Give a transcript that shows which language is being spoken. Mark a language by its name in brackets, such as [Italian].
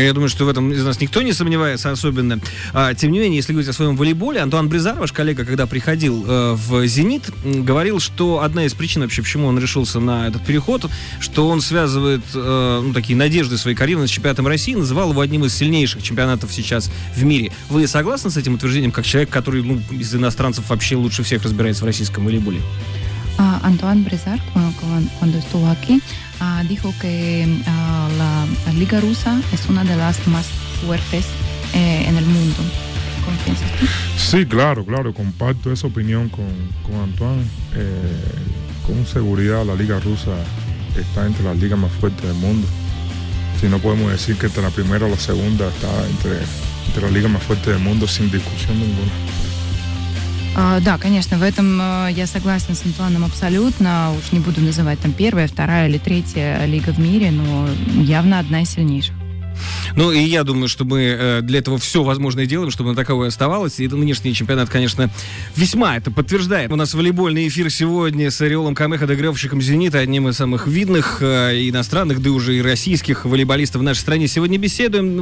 [Russian] Я думаю, что в этом из нас никто не сомневается особенно. Тем не менее, если говорить о своем волейболе, Антуан Бризар, ваш коллега, когда приходил в «Зенит», говорил, что одна из причин вообще, почему он решился на этот переход, что он связывает такие надежды своей карьеры с чемпионатом России, называл его одним из сильнейших чемпионатов сейчас в мире. Вы согласны с этим утверждением, как человек, который из иностранцев вообще лучше всех разбирается в российском волейболе? [Spanish] Антуан Бризар, cuando estuvo aquí, dijo que la Liga Rusa es una de las más fuertes en el mundo. ¿Cómo piensas tú? Sí, claro, comparto esa opinión con Antoine. Con seguridad la Liga Rusa está entre las ligas más fuertes del mundo. Si no podemos decir que entre la primera o la segunda está entre las ligas más fuertes del mundo sin discusión ninguna. [Russian] Да, конечно, в этом я согласна с Антуаном абсолютно. Уж не буду называть там первая, вторая или третья лига в мире, но явно одна из сильнейших. Ну, и я думаю, что мы для этого все возможное делаем, чтобы она таковой оставалась. И нынешний чемпионат, конечно, весьма это подтверждает. У нас волейбольный эфир сегодня с Ореолом Камеха, доигравщиком «Зенита», одним из самых видных иностранных, да уже и российских волейболистов в нашей стране. Сегодня беседуем.